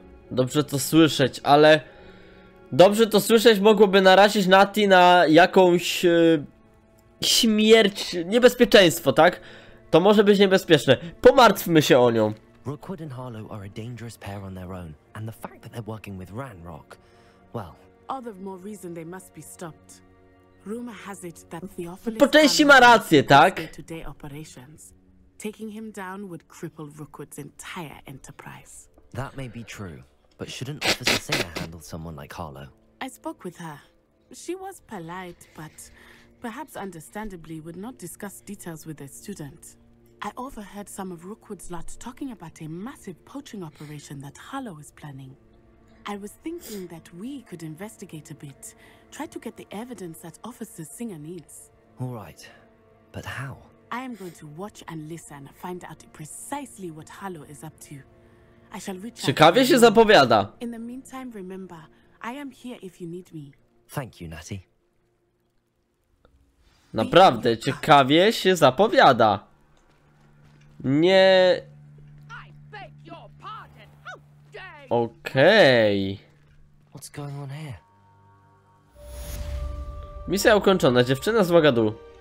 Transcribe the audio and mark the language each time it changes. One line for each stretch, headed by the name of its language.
Polish: Dobrze to słyszeć, ale dobrze to słyszeć mogłoby narazić Nati na jakąś śmierć, niebezpieczeństwo, tak? To może być niebezpieczne. Pomartwmy się o nią.
English: Rookwood and Harlow are a dangerous pair on their own, and the fact that they're working with Ranrok, well... All the more reason they must be stopped. Rumor has it that Theophilus...
Polish: Po części ma rację, tak?
English: ...day-to-day operations. Taking him down would cripple Rookwood's entire enterprise. That may be true, but shouldn't Officer Singer handle someone like Harlow? I spoke with her. She was polite, but perhaps understandably would not discuss details with a student. I overheard some of Rookwood's lot talking about a massive poaching operation that Harlow is planning. I was thinking that we could investigate a bit, try to get the evidence that Officer Singer needs. All right, but how? I am going to watch and listen, find out precisely what Harlow is up to. I shall reach out.
Polish: Ciekawie się zapowiada.
English: In the meantime, remember, I am here if you need me. Thank you, Nati.
Polish: Naprawdę, ciekawie się zapowiada. Nie. Okej.
English: What's going on here?
Polish: Misja ukończona, dziewczyna z Wagadu.